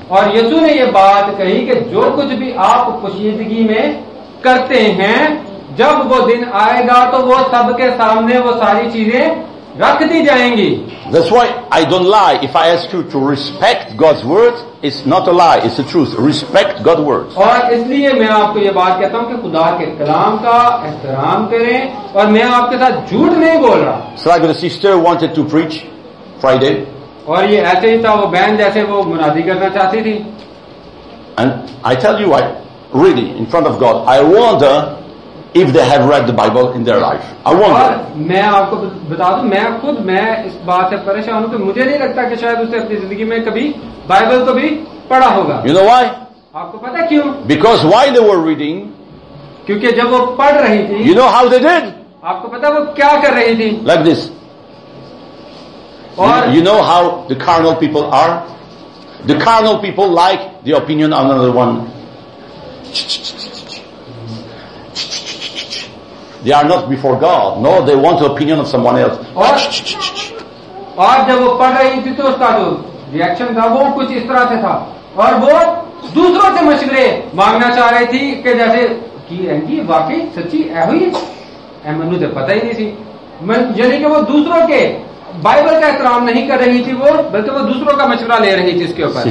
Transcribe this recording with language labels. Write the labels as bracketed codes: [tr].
[hi] और यीशु ने ये बात कही कि जो कुछ भी आप पोशीदगी में करते हैं जब वो दिन आएगा तो वो सबके सामने वो सारी चीजें रख दी जाएंगी. [en] That's why I don't lie. If I ask you to respect God's words, it's not a lie, it's the truth. Respect God's words. [hi] और इसलिए मैं आपको ये बात कहता हूँ कि खुदा के कलाम का एहतराम करें. और मैं आपके साथ झूठ नहीं बोल रहा. [en] So like the sister wanted to preach Friday. [hi] और ये ऐसे ही था, वो बहन जैसे वो मुनादी करना चाहती थी. [en] And I tell you, I really, in front of God, I wonder if they have read the Bible in their life. I wonder. [hi] और मैं आपको बता दूं, मैं इस बात से परेशान हूं कि मुझे नहीं लगता कि शायद उसने अपनी जिंदगी में कभी बाइबल को भी पढ़ा होगा. [en] You know why? [hi] आपको पता है क्यों? [en] Because while they were reading, [hi] क्योंकि जब वो पढ़ रही थी, [en] you know how they did? [hi] आपको पता है वो क्या कर रही थी? [en] Like this. [hi] और [en] you know how the carnal people are? The carnal people like the opinion of another one. they are not before God. No, they want the opinion of someone else. [hi] और जब वो पढ़ रही थी तो उसका जो रिएक्शन था वो कुछ इस तरह से था और वो दूसरों से मशवरे मांगना चाह रही थी कि जैसे कि वाकई सच्ची ऐसी है मनु तो पता ही नहीं थी यानी कि वो दूसरों के बाइबल का एहतराम नहीं कर रही थी वो बल्कि वो दूसरों का मशवरा ले रही थी इसके ऊपर